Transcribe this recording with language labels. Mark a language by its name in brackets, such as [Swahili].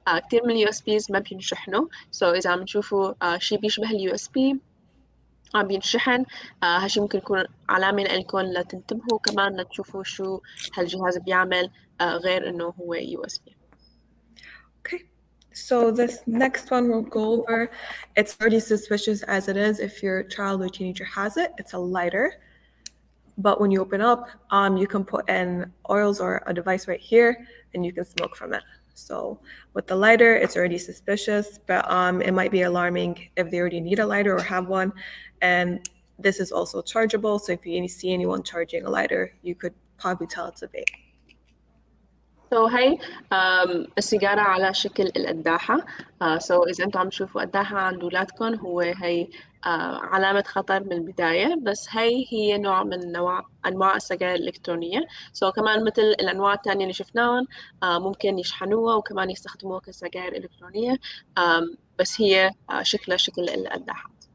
[Arabic] كتير من ال USBs ما بينشحنوا, [English] so [Arabic] إذا عم نشوفوا شيء بيشبه ال USB عم بينشحن, هالشي ممكن يكون علامة لكم لتنتبهوا كمان لتشوفوا شو هالجهاز بيعمل غير انه هو USB. [English] Okay, so this next one we'll go over, it's already suspicious as it is. If your child or teenager has it, it's a lighter, but when you open up, you can put in oils or a device right here and you can smoke from it. So with the lighter, it's already suspicious, but it might be alarming if they already need a lighter or have one. And this is also chargeable. So if you see anyone charging a lighter, you could probably tell it's a vape. [Arabic] So هي السيجارة على شكل القداحة. So إذا أنتوا عم تشوفوا قداحة عند أولادكم, هو هي علامة خطر من البداية, بس هي نوع من أنواع السجائر الإلكترونية. So كمان مثل الأنواع الثانية اللي شفناهم, ممكن يشحنوها وكمان يستخدموها كسجائر إلكترونية, بس هي شكلها شكل القداحة.